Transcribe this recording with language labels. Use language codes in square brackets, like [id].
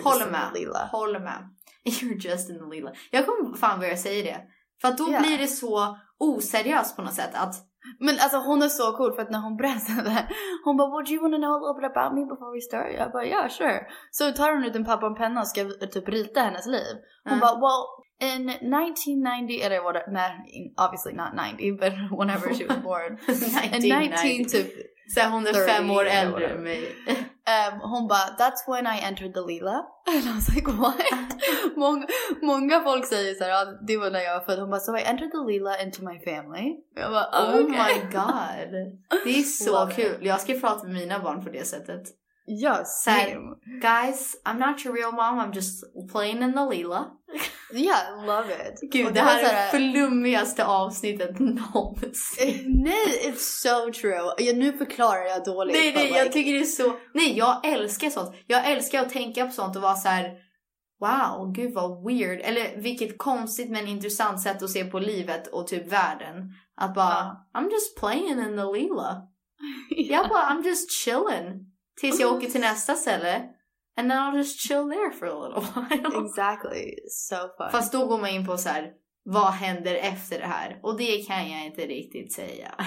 [sv] Jo, håller med. [en] You're just in the Lila. [sv] Jag kommer fan börja säga det. För att då blir det så oseriöst på något sätt att... Men alltså hon är så cool, för att när hon berättade, hon bara, [en] well, do you want to know a little bit about me before we start? [sv] Jag bara, [en] yeah, sure. [sv] Så tar hon ut en papper och penna och ska typ rita hennes liv. Hon bara, [en] well, in 1990, nej, obviously not 90, but whenever she was born. 1990. [sv] Så hon är 5 år äldre än mig. Hon bara, [en] that's when I entered the Lila. And I was like, what? [sv] Många folk säger såhär, det var när jag var född. Hon bara, [en] so I entered the Lila into my family. [sv] Jag bara, [en] oh my god. [sv] Det är så kul. Jag ska prata med mina barn på det sättet. Ja, same. [en] Så, guys, I'm not your real mom. I'm just playing in the Lila. Yeah, love it. [sv] Gud, det här är flummigaste avsnittet någonsin. [en] Nej, it's so true. [sv] Ja, nu förklarar jag dåligt. Nej, nej, jag tycker det är så... Nej, jag älskar sånt. Jag älskar att tänka på sånt och vara så här, wow, gud vad weird. Eller vilket konstigt men intressant sätt att se på livet och typ världen. Att bara, [en] I'm just playing in the Lila. [sv] Jag bara, [en] I'm just chilling. [sv] Tills jag åker till nästa ställe. [en] And then I'll just chill there for a little while. Exactly. So fun. [sv] Fast då går man in på så här, vad händer efter det här? Och det kan jag inte riktigt säga.